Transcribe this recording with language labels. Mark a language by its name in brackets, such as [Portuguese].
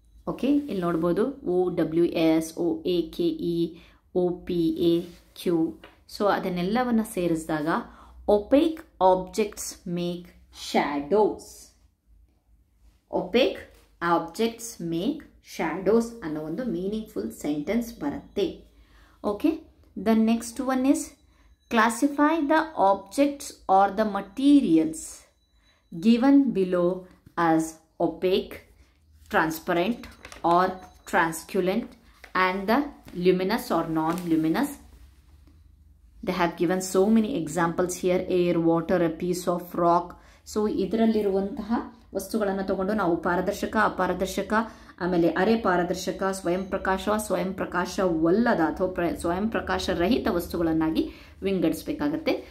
[Kannada] Okay, ಇಲ್ಲಿ ನೋಡ್ಬೋದು ಓ W S O A K E O P A Q. So ಅದನ್ನೆಲ್ಲವನ್ನು ಸೇರಿಸಿದಾಗ [English] opaque objects make shadows, [Kannada] OPEC objects make shadows ಅನ್ನೋ ಒಂದು meaningful sentence ಬರುತ್ತೆ. [English] Okay, the next one is classify the objects or the materials given below as opaque, transparent or transculent and the luminous or non-luminous. They have given so many examples here, air, water, a piece of rock. [Kannada] So ಇದರಲ್ಲಿರುವಂತಹ ವಸ್ತುಗಳನ್ನು ತಗೊಂಡು ನಾವು ಪಾರದರ್ಶಕ, ಅಪಾರದರ್ಶಕ, ಆಮೇಲೆ ಅರೆ ಪಾರದರ್ಶಕ, ಸ್ವಯಂ ಪ್ರಕಾಶ, ಸ್ವಯಂ ಪ್ರಕಾಶವಲ್ಲದ ಅಥವಾ ಸ್ವಯಂ ಪ್ರಕಾಶರಹಿತ ವಸ್ತುಗಳನ್ನಾಗಿ ವಿಂಗಡಿಸಬೇಕಾಗತ್ತೆ.